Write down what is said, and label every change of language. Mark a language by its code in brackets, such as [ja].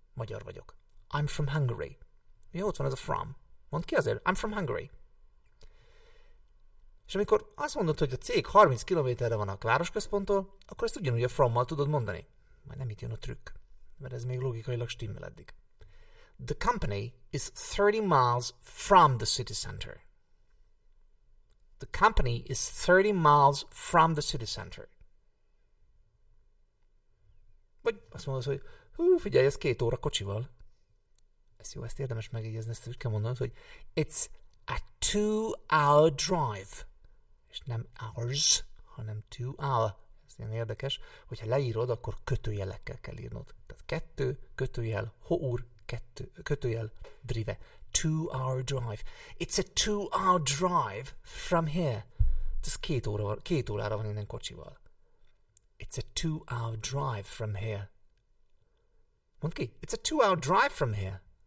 [hu] Magyar vagyok. [en] I'm from Hungary. [hu] Mi ott van ez a from? Mondd ki azért. I'm from Hungary. És amikor azt mondod, hogy a cég 30 kilométerre van a városközponttól, akkor ezt ugyanúgy a from-mal tudod mondani. Majd nem itt jön a trükk. Mert ez még logikailag stimmel eddig. [en] The company is 30 miles from the city center. The company is 30 miles from the city center. [hu] Vagy azt mondod, hogy figyelj, ez 2 óra kocsival. Ezt jó, ezt érdemes megjegyezni, ezt úgy kell mondanod, hogy [en] it's a 2-hour drive. [hu] És nem hours, hanem 2-hour. Ez ilyen érdekes, hogyha leírod, akkor kötőjelekkel kell írnod. Tehát 2, kötőjel, hour, 2, kötőjel, drive. [en] 2-hour drive. It's a 2-hour drive from here. [hu] Ez 2 órára van innen kocsival. [en] It's a 2-hour drive from here. [hu] Mondd ki, [en] it's a 2-hour drive from here.